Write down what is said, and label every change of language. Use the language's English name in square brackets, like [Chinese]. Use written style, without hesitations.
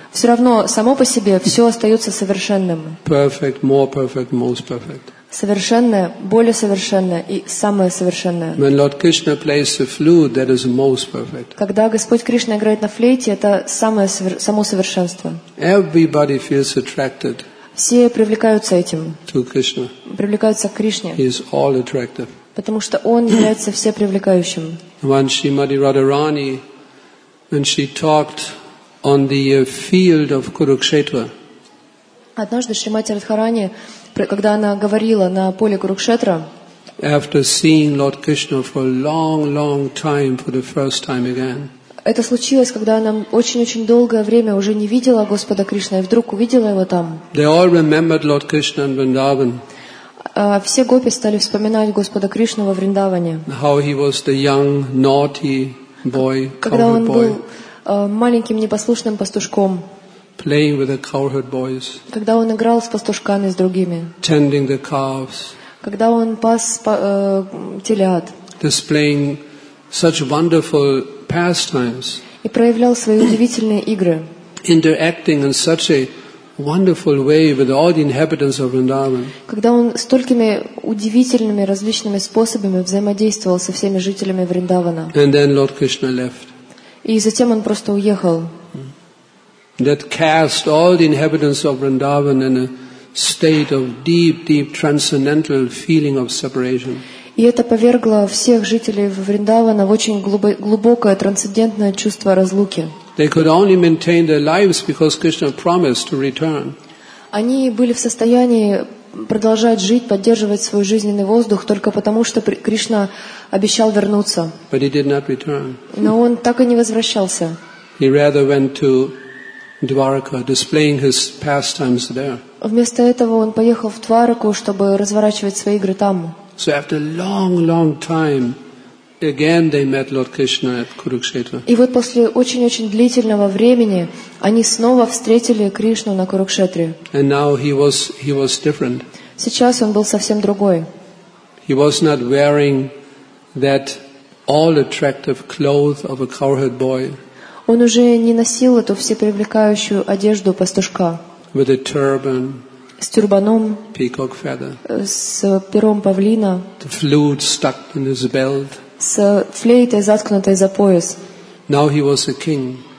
[Russian] Все равно само по себе все остается совершенным. [English] Perfect, more perfect, most perfect. [Russian] совершенное, более совершенное и самое совершенное. [English] When Lord Krishna plays the flute, that is most perfect. [Russian] Когда Господь Кришна играет на флейте, это самое само совершенство. [English] Everybody feels attracted. [Russian] Все привлекаются этим. [English] To Krishna. [Russian] Привлекаются к Кришне. [English] He is all attractive. [Russian] Потому что он является всепривлекающим. [English] Once Srimati Radharani, when she talked on the field of Kurukshetra. [Russian] Однажды Шримати Радхарани, когда она говорила на поле Курукшетра, [English] after seeing Lord Krishna for a long, long time for the first time again. [Russian] Это случилось, когда она очень-очень долгое время уже не видела Господа Кришну и вдруг увидела его там. [English] They all remembered Lord Krishna in Vrindavan. [Russian] Все гопи стали вспоминать Господа Кришну во Вриндаване. [English] How he was the young, naughty boy, [Russian] когда он был маленьким непослушным пастушком. [English] Playing with the cowherd boys. [Russian] Когда он играл с пастушками с другими. [English] Tending the calves. [Russian] Когда он пас телят. [English] Displaying such wonderful pastimes. [Russian] И проявлял свои удивительные игры. [English] Interacting in such a wonderful way with all the inhabitants of Vrindavan. [Russian] Когда он столькими удивительными различными способами взаимодействовал со всеми жителями Вриндавана. [English] And then Lord Krishna left. [Russian] И затем он просто уехал. [English] That cast all the inhabitants of Vrindavan in a state of deep, deep transcendental feeling of separation. [Russian] И это повергло всех жителей Вриндавана в очень глубокое трансцендентное чувство разлуки. [English] They could only maintain their lives because Krishna promised to return. [Russian] Они были в состоянии продолжать жить, поддерживать свой жизненный воздух только потому, что Кришна обещал вернуться. [English] But he did not return. [Russian] Но он так и не возвращался. [English] He rather went to Dwarka, displaying his pastimes there. [Russian] Вместо этого он поехал в Двараку, чтобы разворачивать свои игры там. [English] So after a long, long time, again they met Lord Krishna at Kurukshetra. [Russian] И вот после очень-очень длительного времени они снова встретили Кришну на Курукшетре. [English] And now he was different. [Russian] Сейчас он был совсем другой. [English] He was not wearing that all attractive clothes of a cowherd boy. [Russian] Он уже не носил эту всепривлекающую одежду пастушка. [English] With a turban, [Russian] с тюрбаном, [English] peacock feather, [Russian] с пером павлина, [English] the flute stuck in his belt, [Russian] с флейтой, заткнутой за пояс. [English] Now he was a king.